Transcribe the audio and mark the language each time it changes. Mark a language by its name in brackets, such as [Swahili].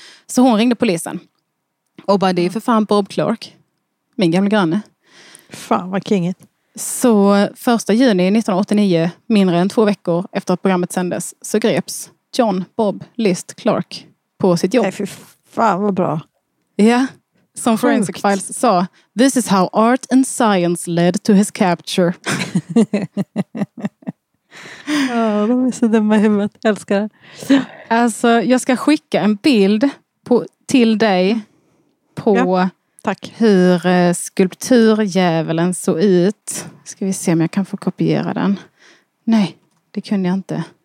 [Swedish] Så hon ringde polisen och bara, det är för fan Bob Clark, min gamla granne. Fan vad kingigt. Så 1 juni 1989, mindre än 2 veckor efter att programmet sändes, så greps John Bob List Clark på sitt jobb. Nej, för fan vad bra. Ja, som sjukt. [English] Forensic Files sa, this is how art and science led to his capture. [Swedish] Ja, de är så dumma i huvudet. Jag älskar det. Alltså, jag ska skicka en bild till dig på... Ja. Tack. Hur skulpturdjävulen såg ut. Ska vi se om jag kan få kopiera den. Nej, det kunde jag inte.